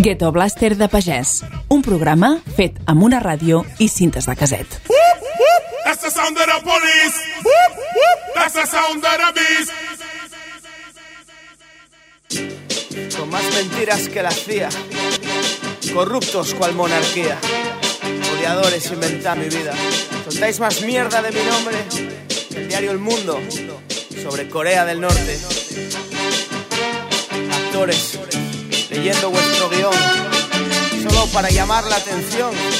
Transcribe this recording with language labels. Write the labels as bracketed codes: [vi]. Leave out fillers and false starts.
[ca] Blaster de Pagès, un programa fet amb una ràdio i cintes de caset. [en] That's the sound of the police. Whoop, whoop. That's the sound of the beast. [es] Con más mentiras que la CIA. corruptos cual monarquía. Odiadores, inventad mi vida. Soltáis más mierda de mi nombre que el diario El Mundo sobre Corea del Norte. Actores leyendo vuestro guión solo para llamar la atención.